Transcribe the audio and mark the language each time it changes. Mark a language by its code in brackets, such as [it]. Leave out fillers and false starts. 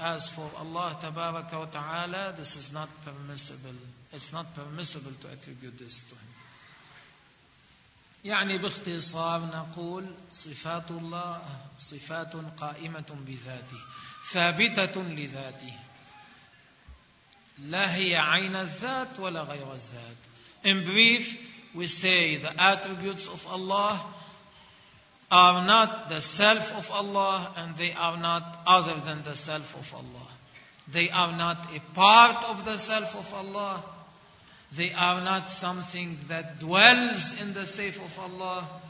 [en] As for Allah [ar] تَبَارَكَ وَتَعَالَى, [en] this is not permissible. It's not permissible to attribute this to Him. [ar] يعني باختصار نقول صفات الله صفات قائمة بذاته ثابتة لذاته لا هي عين الذات ولا غير الذات. [en] In brief, we say the attributes of Allah are not the self of Allah and they are not other than the self of Allah. They are not a part of the self of Allah. They are not something that dwells in the safe of Allah.